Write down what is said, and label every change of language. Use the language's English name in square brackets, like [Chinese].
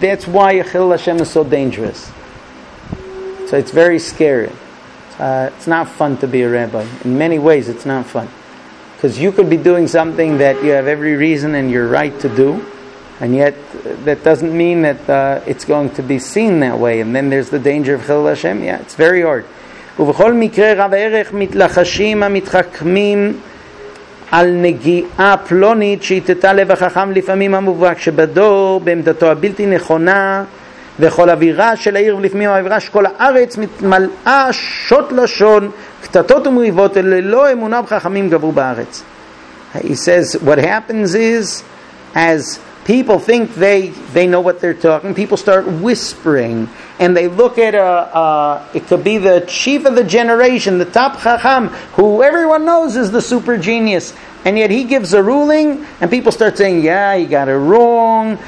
[English] That's why Chilul Hashem is so dangerous. So it's very scary. It's not fun to be a rabbi. In many ways, it's not fun. Because you could be doing something that you have every reason and you're right to do, and yet that doesn't mean that it's going to be seen that way. And then there's the danger of Chilul Hashem. Yeah, it's very hard. [Hebrew] ובכל מקרה רב ערך מתלחשים המתחכמים על נגיעה פלונית שהתתה לב החכם לפעמים המובהק שבדור בעמדתו הבלתי נכונה וכל אווירה של העיר ולפעמים האווירה שכל הארץ מתמלאה שוט לשון קטטות ומריבות ללא אמונה בחכמים גברו בארץ. [English] He says what happens is as people think they know what they're talking, people start whispering and they look at it could be the chief of the generation, the top chacham, who everyone knows is the super genius, and yet he gives a ruling and people start saying, yeah, he got it wrong.